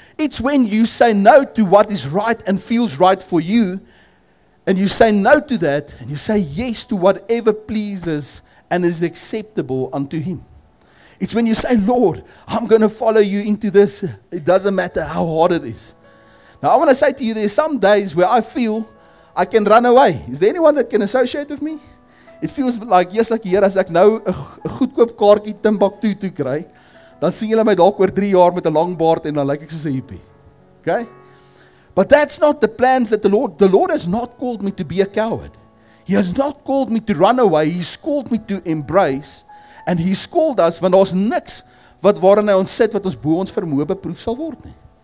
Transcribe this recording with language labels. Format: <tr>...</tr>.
<en>It's when you say no to what is right and feels right for you, and you say no to that, and you say yes to whatever pleases and is acceptable unto Him. It's when you say, Lord, I'm going to follow You into this. It doesn't matter how hard it is. Now, I want to say to you, there are some days where I feel I can run away. Is there anyone that can associate with me? It feels like, yes, like here,</en> <af>as ek nou 'n goedkoop kaartjie Timbuktu toe kry, dan sien julle my dalk oor 3 jaar met 'n lang baard en dan lyk ek soos 'n hippie.</af> <en>Okay? But that's not the plans that the Lord has not called me to be a coward. He has not called me to run away. He's called me to embrace. And He's called us,</en> <af>want daar's niks wat waarin hy ons sit wat ons bo ons vermoë beproef sal word nie.</af>